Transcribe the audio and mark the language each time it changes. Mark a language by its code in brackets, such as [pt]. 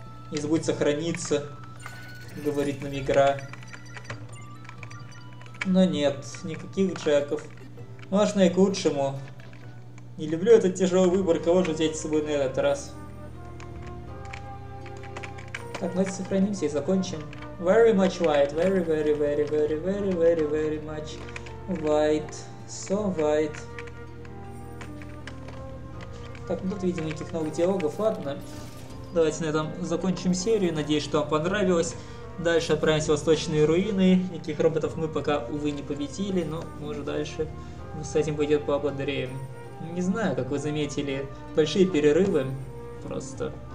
[ru] Не забудь сохраниться, говорит нам игра. Но нет, никаких Джеков. Можно и к лучшему. Не люблю этот тяжелый выбор, кого же взять с собой на этот раз. Так, давайте сохранимся и закончим. [en] Very much white, very, very, very, very, very, very, very much white, so white. [ru] Так, ну тут, видимо, никаких новых диалогов, ладно. Давайте на этом закончим серию, надеюсь, что вам понравилось. Дальше отправимся в восточные руины. Никаких роботов мы пока, увы, не победили, но, может, дальше с этим пойдет пободрее. Не знаю, как вы заметили, большие перерывы просто.